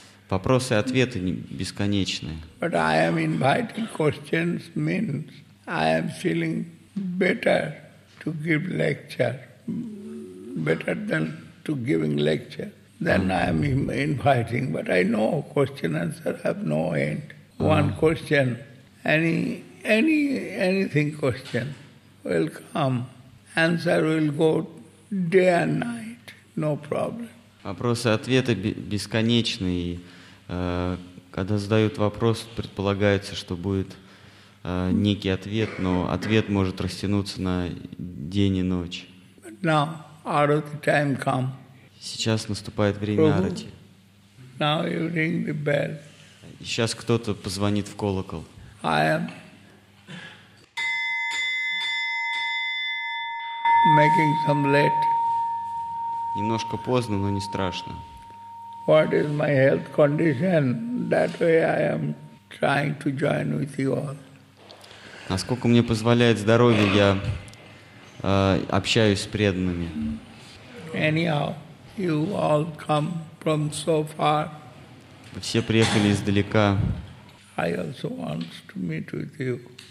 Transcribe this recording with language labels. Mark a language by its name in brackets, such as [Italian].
[Russian] Вопросы и ответы бесконечные. [English] But I am inviting questions means I am feeling better to give lecture, better than to giving lecture. Then I am inviting, but I know question answer have no end. One question, anything question will come. Answer will go day and night, no problem. [Russian] Вопросы и ответы бесконечные. Когда задают вопрос, предполагается, что будет некий ответ, но ответ может растянуться на день и ночь. [English] But now, out of the time come. [Russian] Сейчас наступает время арати. [English] Now you ring the bell. [Russian] Сейчас кто-то позвонит в колокол. [English] I am making some late. [Russian] Немножко поздно, но не страшно. [English] What is my health condition? That way I am trying to join with you all. [Russian] Насколько мне позволяет здоровье, я общаюсь с преданными. [English] Anyhow. You all come from so far. [Russian] Все приехали издалека. [English] I also want to meet with you.